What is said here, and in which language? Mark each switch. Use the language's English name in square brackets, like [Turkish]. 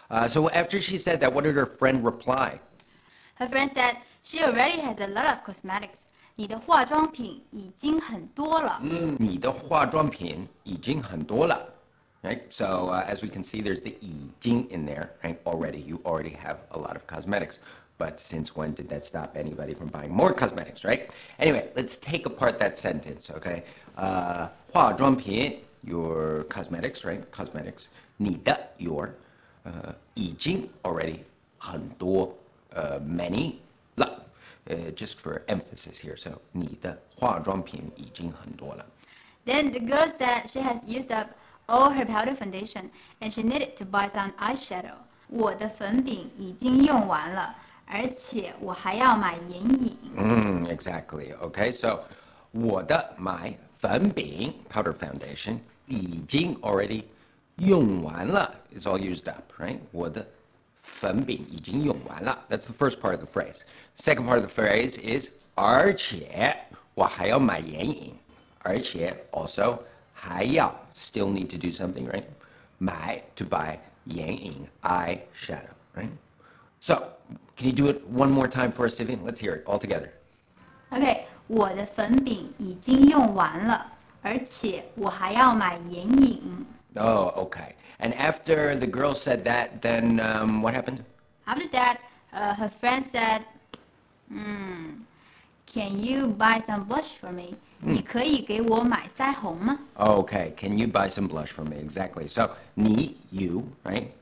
[English] So after she said that, what did her friend reply? Her friend said, she already has a lot of cosmetics. [Chinese] 你的化妆品已经很多了。你的化妆品已经很多了。 [English] Right? So as we can see, there's the [Chinese] 已经 [English] in there, right? Already, you already have a lot of cosmetics. But since when did that stop anybody from buying more cosmetics, right? Anyway, let's take apart that sentence, okay? 化妆品, your cosmetics, right? Cosmetics, [Chinese] 你的, [English] your, [Chinese] 已经 [English] already, [Chinese] 很多, [English] many, 了, just for emphasis here. [Chinese] So 你的化妆品已经很多了. [English] Then the girl said she has used up all her powder foundation, and she needed to buy some eyeshadow. [Chinese] 我的粉饼已经用完了，而且我还要买眼影。 [English] Exactly. Okay. So, [Chinese] 我的买粉饼 [English] powder foundation [Chinese] 已经 [English] already [Chinese] 用完了 [English] It's all used up, right? [Chinese] 我的粉饼已经用完了 [English] That's the first part of the phrase. Second part of the phrase is [Chinese] 而且我还要买眼影。而且 [English] also [Chinese] 还要 [English] still need to do something, right? 买 to buy. 眼影 eye shadow, right? So, can you do it one more time for us, Vivian? Let's hear it all together. [Chinese] Okay, 我的粉饼已经用完了，而且我还要买眼影。 [English] Oh, okay. And after the girl said that, then what happened? After that, her friend said, can you buy some blush for me? [Chinese] 你可以给我买腮红吗? [English] Okay, can you buy some blush for me? Exactly. So, [Chinese] 你, [English] you, right?